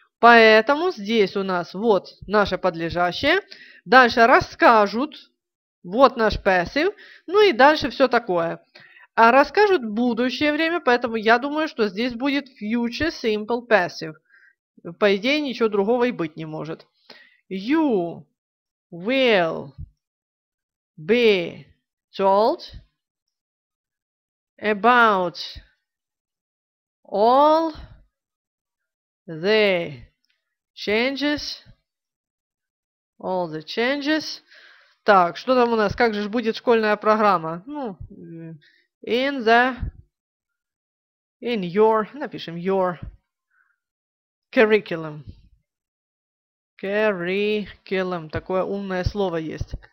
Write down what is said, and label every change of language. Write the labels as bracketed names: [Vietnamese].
[Russian] Поэтому здесь у нас вот наше подлежащее. Дальше расскажут. Вот наш passive. Ну и дальше все такое. А расскажут будущее время, поэтому я думаю, что здесь будет future simple passive. По идее, ничего другого и быть не может. [English] You will be told about all the changes. All the changes. [Russian] Так, что там у нас? Как же будет школьная программа? Ну, [English] in the... In your... [Russian] Напишем [English] your... Curriculum. [Russian] Curriculum. Такое умное слово есть.